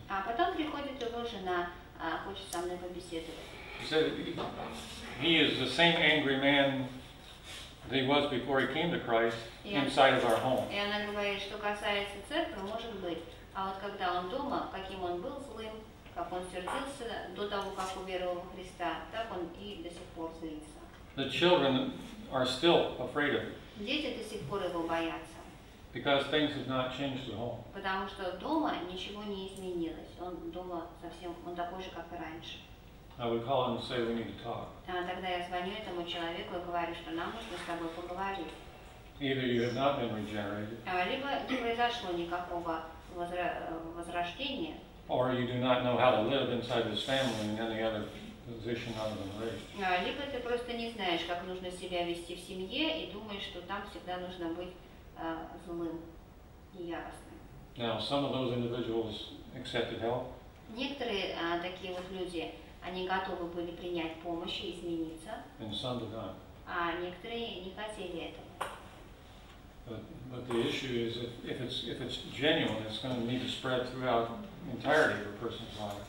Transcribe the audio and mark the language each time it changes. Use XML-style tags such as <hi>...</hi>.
<ru>А потом приходит его жена, хочет со мной побеседовать.</ru> <en>He said he is the same angry man that he was before he came to Christ inside of our home.</en> <ru>И она говорит, что касается церкви, может быть, а вот когда он дома, каким он был злым. Как он сердился до того, как уверовал в Христа, так он и до сих пор злится.</ru> <en>The children are still afraid of him.</en> <ru>Дети до сих пор его боятся.</ru> <en>Because things have not changed at home.</en> <ru>Потому что дома ничего не изменилось. Он дома совсем, он такой же, как и раньше.</ru> <en>I would call him and say we need to talk.</en> <ru>А тогда я звоню этому человеку и говорю, что нам нужно с тобой поговорить.</ru> <en>Either you have not been regenerated.</en> <ru>Либо не произошло никакого возрождения.</ru> <en>Or you do not know how to live inside this family in any other position other than race.</en> <ru>Либо ты просто не знаешь, как нужно себя вести в семье, и думаешь, что там всегда нужно быть злым и яростным.</ru> <en>Now, some of those individuals accepted help.</en> <ru>Некоторые такие вот люди, они готовы были принять помощь и измениться.</ru> <en>And some did not.</en> <ru>А некоторые не хотели этого.</ru> <en>But the issue is if it's genuine, it's going to need to spread throughout entirety of a person's life.</en>